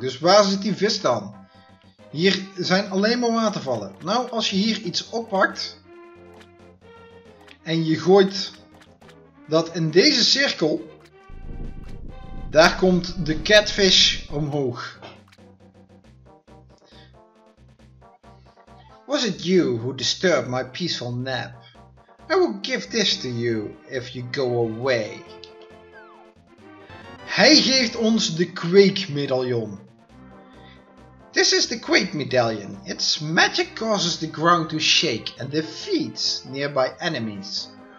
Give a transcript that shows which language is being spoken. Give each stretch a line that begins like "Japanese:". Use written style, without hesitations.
Dutch: Dus waar zit die vis dan? Hier zijn alleen maar watervallen. Nou, als je hier iets oppakt en je gooit dat in deze cirkel, daar komt de catfish omhoog.
English: Was it you who disturbed my peaceful nap? I will give this to you if you go away.
Dutch: Hij geeft ons de Quake medaillon.
English: This is the Quake medallion. Its magic causes the ground to shake and defeats nearby enemies.